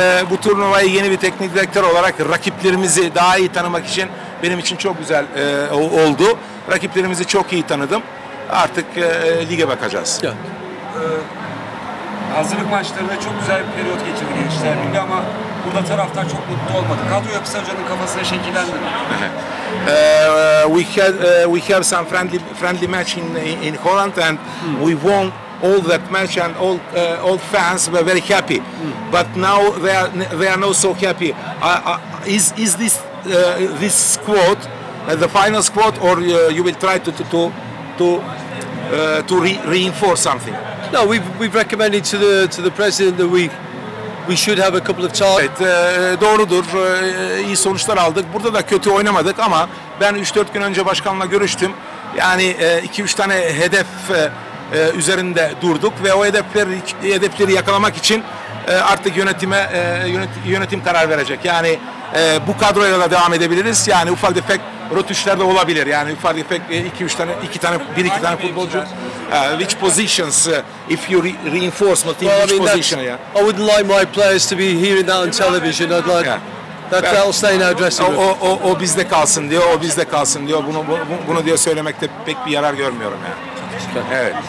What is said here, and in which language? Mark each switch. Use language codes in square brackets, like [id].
[tr] Bu turnuvayı yeni bir teknik direktör olarak rakiplerimizi daha iyi tanımak için benim için çok güzel oldu. Rakiplerimizi çok iyi tanıdım. Artık lige bakacağız. Hazırlık maçlarında çok güzel bir periyot geçirdi gençler birliği ama burada taraftar çok mutlu olmadı. Kadro yapısı hocanın kafasına şekillendi mi? [en] we have some friendly match in Holland and we won all that match and all fans were very happy, but now they are not so happy. Is this squad the final squad or you will try to reinforce something? No, we've recommended to the president that we should have a couple of targets. [tr] Evet, doğrudur. İyi sonuçlar aldık. Burada da kötü oynamadık ama ben 3-4 gün önce başkanla görüştüm. Yani 2-3 tane hedef üzerinde durduk ve o hedefleri yakalamak için artık yönetim karar verecek. Yani bu kadroyla da devam edebiliriz. Yani ufak tefek rotüşler de olabilir. Yani ufak tefek 2 tane futbolcu. [en] Which positions if you reinforce my team, which position? Yeah. I wouldn't like my players to be hearing that on television. I'd like that'll stay in our dressing room. [tr] O bizde kalsın diyor. O bizde kalsın diyor. Bunu diyor söylemekte pek bir yarar görmüyorum yani. Evet.